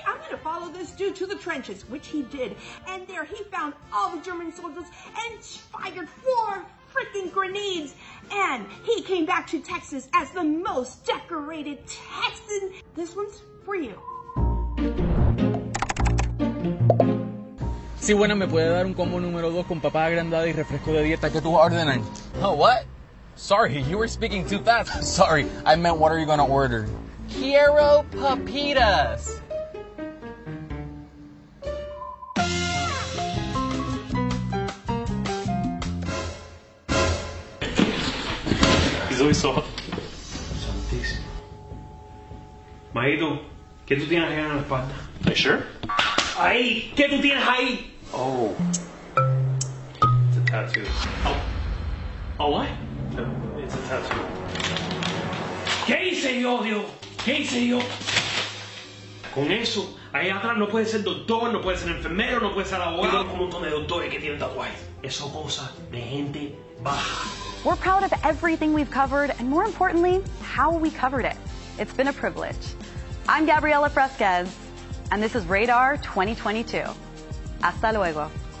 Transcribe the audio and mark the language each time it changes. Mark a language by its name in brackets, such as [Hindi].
[English] I'm going to follow this dude to the trenches, which he did. And there he found all the German soldiers and fired four freaking grenades, and he came back to Texas as the most decorated Texan. This one's for you. [Spanish] Sí, bueno, me puede dar un combo número dos con papa agrandada y refresco de dieta que tú ordenas. [English] Oh, what? Sorry, you were speaking too fast. Sorry, I meant what are you gonna order? [Spanish] Quiero papitas. Maito, ¿qué tú tienes ahí en la espalda? [English] Are you sure? [Spanish] ¡Ay! ¿Qué tú tienes ahí? Oh. [English] It's a tattoo. Oh. Oh, what? It's a tattoo. [Spanish] ¿Qué hice yo, Dios? ¿Qué hice yo? Con eso, ahí atrás no puede ser doctor, no puede ser enfermero, no puede ser abogado. Con un montón de doctores que tienen tatuajes. Eso cosa de gente baja. [English] We're proud of everything we've covered, and more importantly, how we covered it. It's been a privilege. I'm Gabriela Fresquez, and this is Radar 2022. [Spanish] Hasta luego.